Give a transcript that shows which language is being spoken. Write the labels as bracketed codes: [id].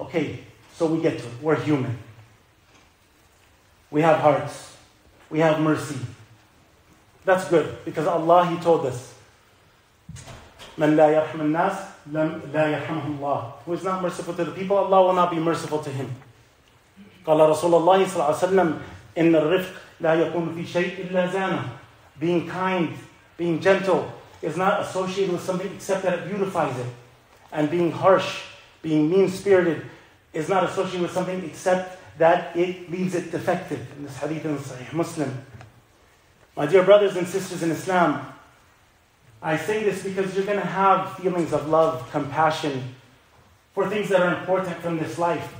[en] Okay, so we get to it. We're human. We have hearts. We have mercy. That's good, because Allah, He told us, [ar] من لا يرحم الناس لا يرحمه الله. [en] Who is not merciful to the people, Allah will not be merciful to him. [ar] قال رسول الله صلى الله عليه وسلم إن الرفق لا يكون في شيء إلا زانه. [en] Being kind, being gentle, is not associated with something except that it beautifies it. And being harsh, being mean-spirited, is not associated with something except that it leaves it defective. In this hadith in Sahih Muslim. My dear brothers and sisters in Islam, I say this because you're going to have feelings of love, compassion, for things that are important from this life.